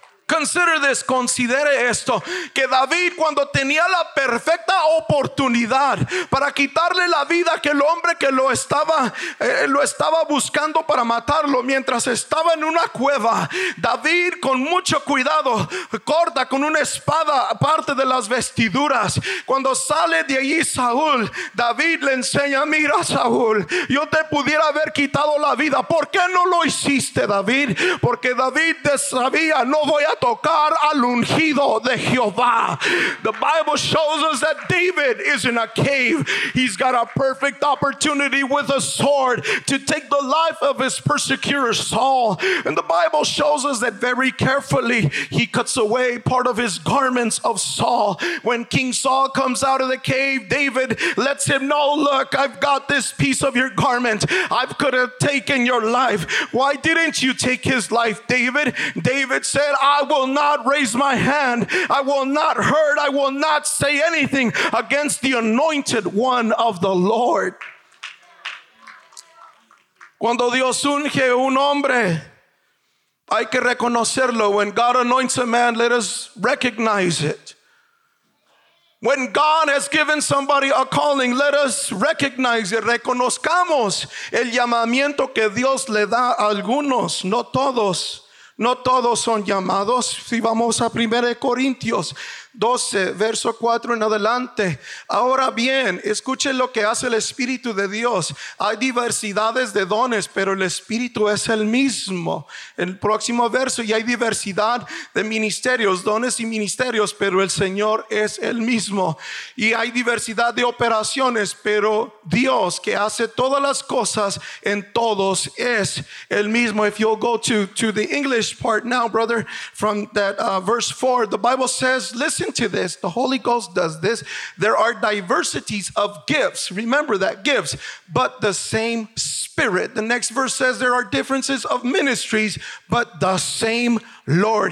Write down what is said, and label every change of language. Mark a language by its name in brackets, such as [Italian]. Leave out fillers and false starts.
[English] Consider this, [Spanish] considere esto, que David cuando tenía la perfecta oportunidad para quitarle la vida a aquel hombre que lo estaba buscando para matarlo, mientras estaba en una cueva, David con mucho cuidado corta con una espada parte de las vestiduras. Cuando sale de allí Saúl, David le enseña, mira Saúl, yo te pudiera haber quitado la vida, ¿por qué no lo hiciste, David? Porque David sabía, no voy a tocar al ungido de Jehová. [English] The Bible shows us that David is in a cave. He's got a perfect opportunity with a sword to take the life of his persecutor Saul. And the Bible shows us that very carefully he cuts away part of his garments of Saul. When King Saul comes out of the cave, David lets him know, look, I've got this piece of your garment. I could have taken your life. Why didn't you take his life, David? David said, I will not raise my hand. I will not hurt. I will not say anything against the anointed one of the Lord. [Spanish] Cuando Dios unge un hombre, hay que reconocerlo. [English] When God anoints a man, let us recognize it. When God has given somebody a calling, let us recognize it. [Spanish] Reconozcamos el llamamiento que Dios le da a algunos, no todos. No todos son llamados. Si vamos a 1 Corintios 12, verso 4 en adelante. Ahora bien, escuchen lo que hace el Espíritu de Dios. Hay diversidades de dones, pero el Espíritu es el mismo. El próximo verso, y hay diversidad de ministerios, dones y ministerios, pero el Señor es el mismo. Y hay diversidad de operaciones, pero Dios que hace todas las cosas en todos es el mismo. [English] If you'll go to the English part now, brother, from that verse 4, the Bible says, listen to this. The Holy Ghost does this. There are diversities of gifts. Remember that, gifts, but the same Spirit. The next verse says there are differences of ministries, but the same Lord.